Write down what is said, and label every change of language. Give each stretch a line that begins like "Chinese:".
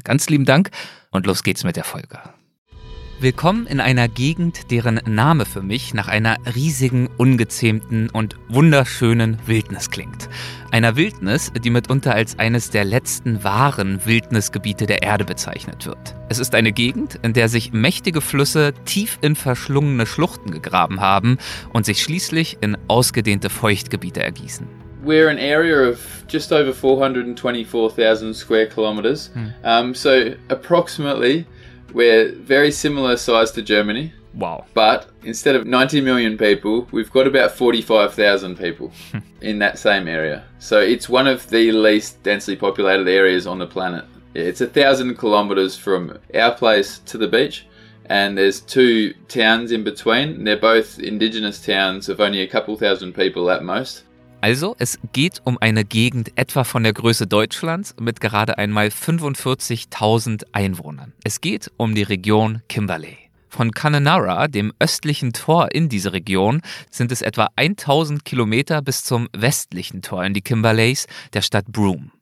German: Ganz lieben Dank und los geht's mit der Folge. Willkommen in einer Gegend, deren Name für mich nach einer riesigen, ungezähmten und wunderschönen Wildnis klingt. Einer Wildnis, die mitunter als eines der letzten wahren Wildnisgebiete der Erde bezeichnet wird. Es ist eine Gegend, in der sich mächtige Flüsse tief in verschlungene Schluchten gegraben haben und sich schließlich in ausgedehnte Feuchtgebiete ergießen.
English: We're an area of just over 424,000 square kilometers. So approximately, we're very similar size to Germany. Wow. But instead of 90 million people, we've got about 45,000 people in that same area. So it's one of the least densely populated areas on the planet. It's 1,000 kilometers from our place to the beach. And there's two towns in between. They're both indigenous towns of only a couple thousand people at most.
German: Also, es geht um eine Gegend etwa von der Größe Deutschlands mit gerade einmal 45.000 Einwohnern. Es geht um die Region Kimberley. Von Kununurra, dem östlichen Tor in diese Region, sind es etwa 1.000 Kilometer bis zum westlichen Tor in die Kimberleys, der Stadt Broome.